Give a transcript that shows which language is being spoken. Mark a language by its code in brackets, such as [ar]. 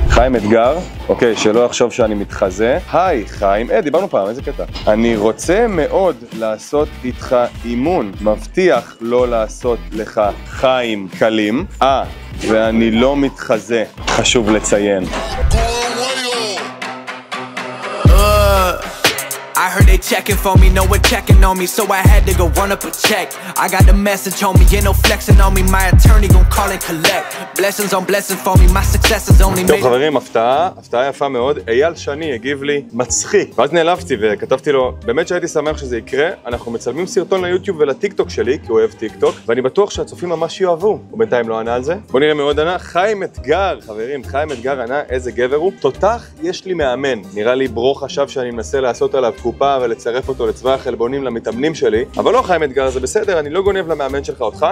[he] חיים אתגר, אוקיי, שלא יחשוב שאני מתחזה. היי חיים, דיברנו פעם, איזה קטע. אני רוצה מאוד לעשות איתך אימון, מבטיח לא לעשות לך חיים קלים, ואני לא מתחזה, חשוב לציין. [en] I heard they checking for me, no one checking on me, so I had to go run up a check. I got the message, homie, ain't no flexing on me, my attorney gon' call and collect. Blessings on blessings for me, my success is only made. [he] טוב חברים, הפתעה, הפתעה יפה מאוד. אייל שני הגיב לי, מצחיק. ואז נעלבתי וכתבתי לו, באמת שהייתי שמח שזה יקרה, אנחנו מצלמים סרטון ליוטיוב ולטיקטוק שלי, כי הוא אוהב טיקטוק, ואני בטוח שהצופים ממש יאהבו. הוא בינתיים לא ענה על זה. בוא נראה מאוד ענה. חיים אתגר, חברים, חיים אתגר ענה, איזה גבר הוא. תותח, יש לי מאמן. נראה לי ברו חשב שאני מנסה לעשות עליו קופה ולצרף אותו לצבא החלבונים למתאמנים שלי, אבל לא חיים אתגר, זה בסדר, אני לא גונב למאמן שלך אותך.